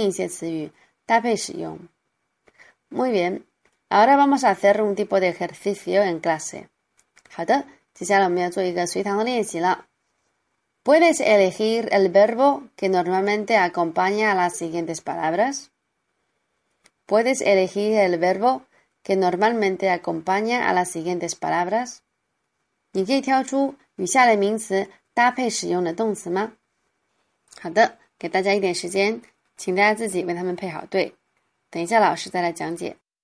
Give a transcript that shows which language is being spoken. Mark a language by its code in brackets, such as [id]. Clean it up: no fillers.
[zh] 在所有的语言当中，有些词语通常是与另一些词语搭配使用. [es] Muy bien, ahora vamos a hacer un tipo de ejercicio en clase. [zh] 好的，接下来我们要做一个随堂的练习了。 [es] ¿Puedes elegir el verbo que normalmente acompaña a las siguientes palabras? ¿Puedes elegir el verbo que normalmente acompaña a las siguientes palabras? [zh] 你可以挑出以下的名词搭配使用的动词吗？好的，给大家一点时间，请大家自己为它们配好对。等一下老师再来讲解。